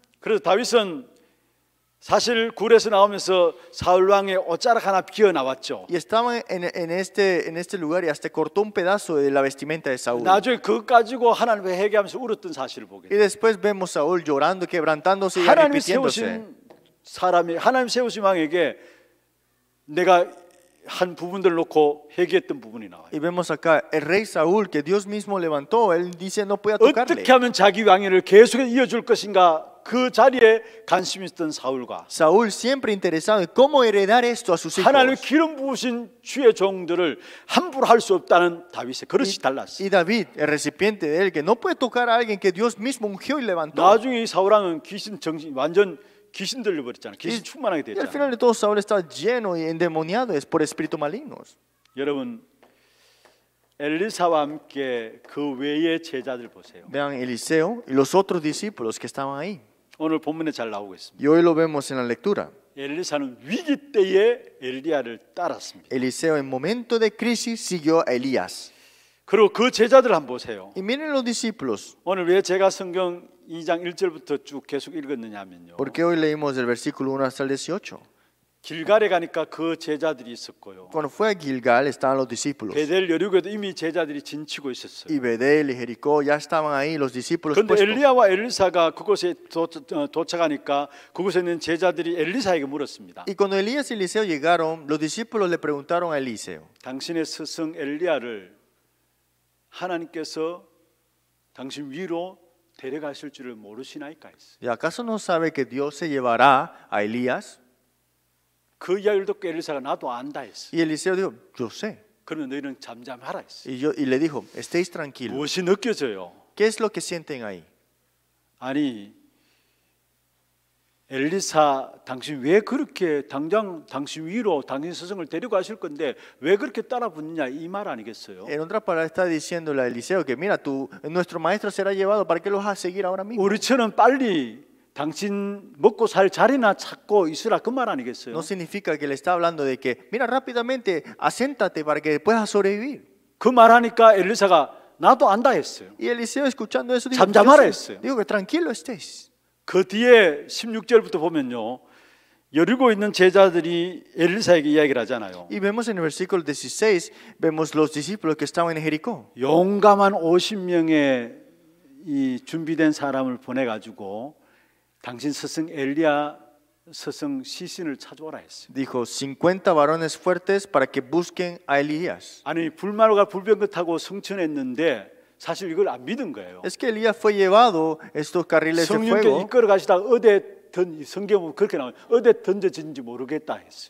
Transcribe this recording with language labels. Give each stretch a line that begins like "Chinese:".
Korean: 그래서 다윗은 사실 굴에서 나오면서 사울 왕의 옷자락 하나 비어 나왔죠.
Spanish: Y estaba en este lugar y hasta cortó un pedazo de la vestimenta de Saúl.
Korean: 나중에 그 가지고 하나님을 회개하면서 울었던 사실을 보게.
Spanish: Y después vemos a Saúl llorando, quebrantándose y arrepintiéndose.
Korean: 하나님 세우신 왕에게 내가 한 부분들 놓고 회개했던 부분이 나와요.
Spanish: Y vemos acá el rey Saúl que Dios mismo levantó. Él dice no podía tocarle.
Korean: 어떻게 하면 자기 왕위를 계속 이어줄 것인가? 그 자리에 관심 있던 사울과
Spanish: Saúl siempre interesado en cómo heredar esto a sus hijos.
Korean: 하나님 기름 부으신 주의 종들을 함부로 할 수 없다는 다윗의 그릇이 달랐어.
Spanish: Y David, el recipiente de él que no puede tocar a alguien que Dios mismo ungió y levantó.
Korean: 나중에 사울 왕은 귀신 정신 완전 귀신 들려 버렸잖아. 귀신 충만하게 됐잖아.
Spanish: Y al final de todo Saúl está lleno y endemoniado es por espíritus malignos.
Korean: 여러분 엘리사와 함께 그 외의 제자들 보세요.
Spanish: Vean Eliseo y los otros discípulos que estaban ahí.
Korean: 오늘 본문에 잘 나오고 있습니다.
Spanish: Y hoy lo vemos en la lectura.
Korean: 엘리사는 위기 때에 엘리야를 따랐습니다.
Spanish: Eliseo en momento de crisis siguió a Elías.
Korean: 그리고 그 제자들 한번 보세요.
Spanish: Y miren los discípulos.
Korean: 오늘 왜 제가 성경 2장 1절부터 쭉 계속 읽었느냐 하면요.
Spanish: ¿Por qué hoy leímos el versículo 1 hasta el 18?
Korean: 길갈에 가니까 그 제자들이 있었고요.
Spanish: Cuando fue a Gilgal estaban los discípulos.
Korean: 베델 여리고에도 이미 제자들이 진치고 있었어요.
Spanish: Y Betel y Jericó ya estaban ahí los discípulos.
Korean: 그런데 엘리야와 엘리사가 그곳에 도착하니까 그곳에 있는 제자들이 엘리사에게 물었습니다.
Spanish: Y cuando Elías y Eliseo llegaron, los discípulos le preguntaron a Eliseo.
Korean: 당신의 스승 엘리야를 하나님께서 당신 위로 데려가실 줄을 모르시나이까 했어요.
Spanish: ¿Y acaso no sabe que Dios se llevará a Elías?
Korean: 그 이야기를 듣고 엘리사가 나도 안다 했어.
Spanish: Y Eliseo dijo, yo sé.
Korean: 그러면 너희는 잠잠하라 했어.
Spanish: Y le dijo, estéis tranquilo.
Korean: 무엇이 느껴져요?
Spanish: ¿Qué es lo que sienten ahí?
Korean: 아니, 엘리사, 당신 왜 그렇게 당장 당신 위로 당신 스승을 데리고 가실 건데 왜 그렇게 따라 붙느냐 이 말 아니겠어요?
Spanish: En otras palabras está diciéndole a Eliseo que mira, tú, nuestro maestro será llevado, ¿para qué lo vas a seguir ahora mismo?
Korean: 우리처럼 빨리 당신 먹고 살 자리나 찾고 있으라 그 말 아니겠어요?
Spanish: No significa que le está hablando de que mira rápidamente aséntate para que puedas sobrevivir.
Korean: 그 말하니까 엘리사가 나도 안다 했어요.
Spanish: Y Eliseo escuchando eso dijo,
Korean: 잠잠하라 했어요.
Spanish: Digo que tranquilo estés.
Korean: 그 뒤에 16절부터 보면요. 여리고 있는 제자들이 엘리사에게 이야기를 하잖아요.
Spanish: Y vemos en el versículo 16 vemos los discípulos que estaban en Jericó.
Korean: 용감한 50명의 이 준비된 사람을 보내 가지고 당신 스승 엘리야 스승 시신을 찾아오라 했어요.
Spanish: Dijo 50 varones fuertes para que busquen a Elías.
Korean: 아니 불마루가 불병거 타고 승천했는데 사실 이걸 안 믿은 거예요.
Spanish: Es que Elías fue llevado estos carriles de fuego.
Korean: 성령께 이끌어 가시다 어디에 던 성경은 그렇게 나와요. 어디에 던져진지 모르겠다 했어요.